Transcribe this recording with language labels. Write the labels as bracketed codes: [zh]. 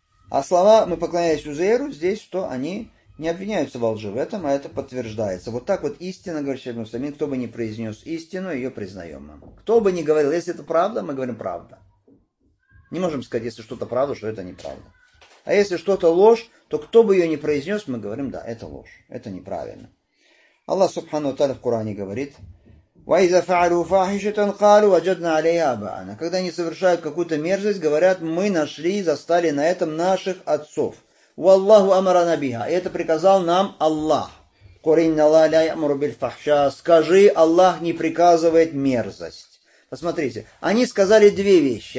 [ru] А слова «мы поклоняемся Узейру» здесь, что они не обвиняются во лжи в этом, а это подтверждается. Вот так вот истина, говорит Шейх Мусаймин, кто бы ни произнес истину, ее признаем мы. Кто бы ни говорил, если это правда, мы говорим правда. Не можем сказать, если что-то правда, что это неправда. А если что-то ложь, то кто бы ее ни произнес, мы говорим, да, это ложь, это неправильно. Аллах Субхану Таля в Коране говорит, [ar] وَإِذَا فَعَلُوا فَاحِشَةً قَالُوا وَجَدْنَا عَلَيْهَا أَبَاءَنَا. [ru] Когда они совершают какую-то мерзость, говорят, мы нашли и застали на этом наших отцов. [ar] وَاللَّهُ أَمَرَنَا بِهَا. [ru] И это приказал нам Аллах. [ar] قُرِنَّ اللَّهَ لَا يَأْمُرُ بِالْفَحْشَا. [ru] Скажи, Аллах не приказывает мерзость. Посмотрите, они сказали две вещи.